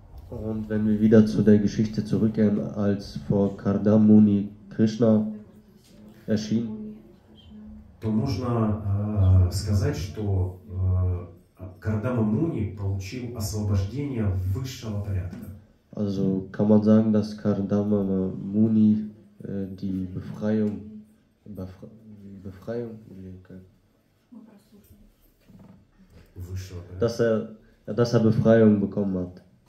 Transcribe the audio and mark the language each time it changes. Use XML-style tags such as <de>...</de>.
<de>Und wenn wir wieder zu der Geschichte zurückkehren, als vor Kardamuni Krishna erschien,</de> <ru>то можно сказать, что Кардама Муни получил освобождение высшего порядка.</ru> <de>Also kann man sagen, dass Кардама Муни die Befreiung, Befreiung, wie kann, dass er Befreiung bekommen hat.</de>